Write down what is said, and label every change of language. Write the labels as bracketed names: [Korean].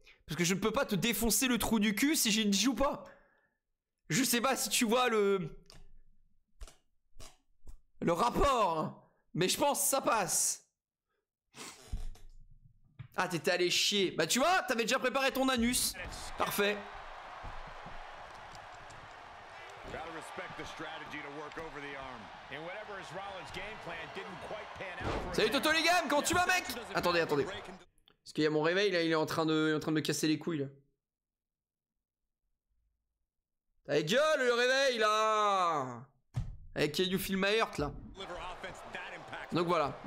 [French] Parce que je ne peux pas te défoncer le trou du cul si je ne joue pas. Je sais pas si tu vois le rapport, mais je pense que ça passe. Ah, t'étais allé chier. Bah tu vois, t'avais déjà préparé ton anus. Parfait. [English] Gotta respect the strategy to work over the arm. And whatever is Rollins' game plan didn't quite pan out for [French] him. Salut Toto les gammes, comment tu vas mec? Attendez. Parce qu'il y a mon réveil là, il est en train de me casser les couilles là. T'as gueule le réveil là. Avec You Feel My Heart là. Donc voilà.